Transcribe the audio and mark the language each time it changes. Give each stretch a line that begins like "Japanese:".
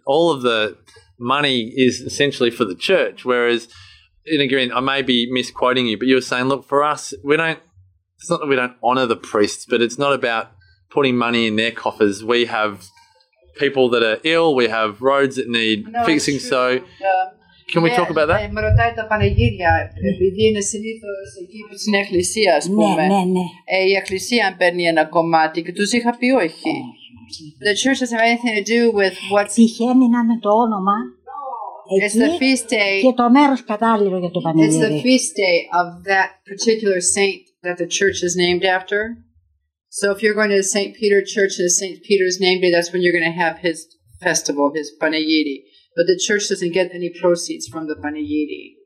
English: All of the money is essentially for the church, whereas, and again, I may be misquoting you, but you were saying, look, for us, it's not that we don't honour the priests, but it's not about putting money in their coffers. We have people that are ill, we have roads that need fixing, so can we talk about that?
Greek: Ρωτάει τα πανηγύρια, επειδή είναι συνήθως εκεί στην εκκλησία, ας πούμε. Ναι. Η εκκλησία παίρνει ένα κομμάτι και τους είχα πει όχι.
English: The church doesn't have anything to do with what's...
Greek: Τυχαίνει να είναι το όνομα.
English: It's the feast day.
Greek: Και το μέρος κατάλληλο για το πανηγύρι.
English: It's the feast day of that particular saint that the church is named after. So if you're going to the St. Peter Church and the St. Peter's name day, that's when you're going to have his festival, his Panagiri. But the church doesn't get any proceeds from the Panagiri.